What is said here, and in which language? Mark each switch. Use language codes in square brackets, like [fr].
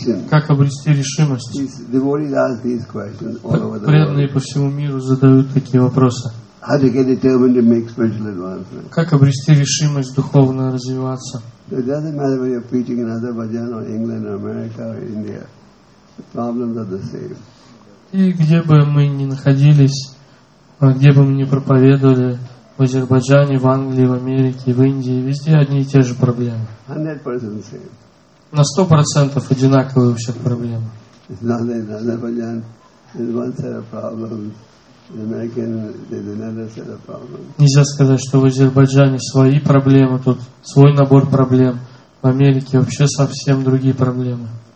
[ru] Как обрести решимость? Преданные по всему миру задают такие вопросы. [en] How to get determined to make spiritual advancement? [ru] Как обрести решимость духовно развиваться? [en] It doesn't matter whether you're preaching in Azerbaijan or England or America or India. The problems are the same. [ru] И где бы мы ни находились, где бы мы ни проповедовали, в Азербайджане, в Англии, в Америке, в Индии, везде одни и те же проблемы. [en] 100% same. [ru] На 100% одинаковые у всех проблемы. [en] It's not that in Azerbaijan is one set of problems. [ru] Нельзя сказать, что в Азербайджане свои проблемы, тут свой набор проблем. В Америке вообще совсем другие проблемы.